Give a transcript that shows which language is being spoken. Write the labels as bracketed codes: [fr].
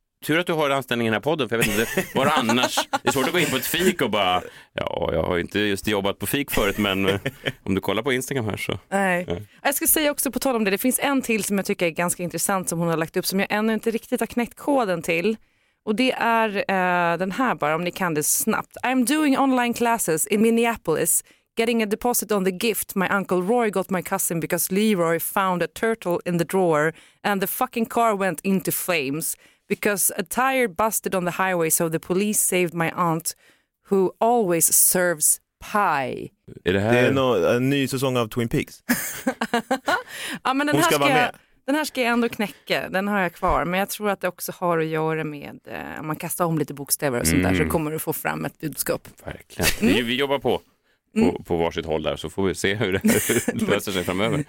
[sv] Tur att du har anställningen här podden, för jag vet inte var annars. Det är svårt att gå in på ett fik och bara, ja, jag har inte just jobbat på fik förut, men om du kollar på Instagram här så. Nej. Ja. Jag ska säga också på tal om det, det finns en till som jag tycker är ganska intressant som hon har lagt upp, som jag ännu inte riktigt har knäckt koden till. Och det är den här bara, om ni kan det snabbt. [en] I'm doing online classes in Minneapolis, getting a deposit on the gift my uncle Roy got my cousin because Leroy found a turtle in the drawer and the fucking car went into flames. Because a tire busted on the highway, so the police saved my aunt who always serves pie. [sv] Är det här? Det är en ny säsong av Twin Peaks. Ja, men den här ska jag ändå knäcka. Den har jag kvar. Men jag tror att det också har att göra med om man kastar om lite bokstäver och sånt där, så kommer du få fram ett budskap. Verkligen. Vi jobbar på varsitt håll där, så får vi se hur det löser sig framöver.